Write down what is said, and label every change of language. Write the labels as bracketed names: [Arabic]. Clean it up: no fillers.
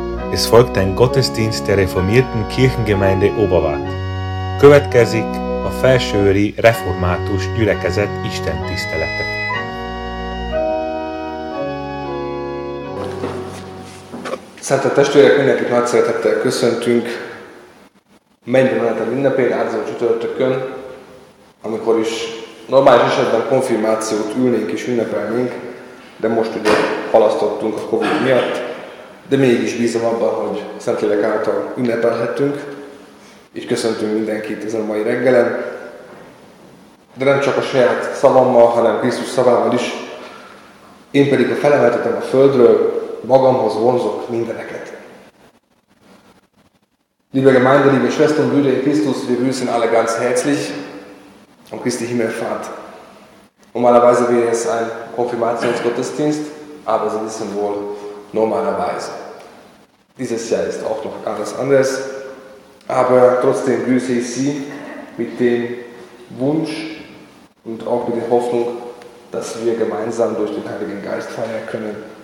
[German] Es folgt ein Gottesdienst der reformierten Kirchengemeinde Oberwart. [Hungarian] Következik a Felsőőri Református Gyülekezet istentisztelete. Szeretett testvérek, mindenkit nagy szeretettel köszöntünk. Mennyben lehet a ünnepén, áldozat csütörtökön, amikor is normális esetben konfirmációt ülnénk és ünnepelnénk, de most ugye halasztottunk a Covid miatt, de mégis bízom abban, hogy Szentlélek által ünnepelhetünk, és köszöntünk mindenkit ezen a mai reggelen. De nem csak a saját szavammal, hanem Krisztus szavával is. Én pedig, ha felemeltetem a földről, magamhoz vonzok mindeneket. [German] Liebe Gemeinde, liebe Schwestern, Brüder in Christus, wir grüßen alle ganz herzlich am Christi Himmelfahrt. Normalerweise wäre es ein Konfirmationsgottesdienst, aber Sie wissen wohl, normalerweise. Dieses Jahr ist auch noch alles anders, aber trotzdem grüße ich Sie mit dem Wunsch und auch mit der Hoffnung, dass wir gemeinsam durch den Heiligen Geist feiern können.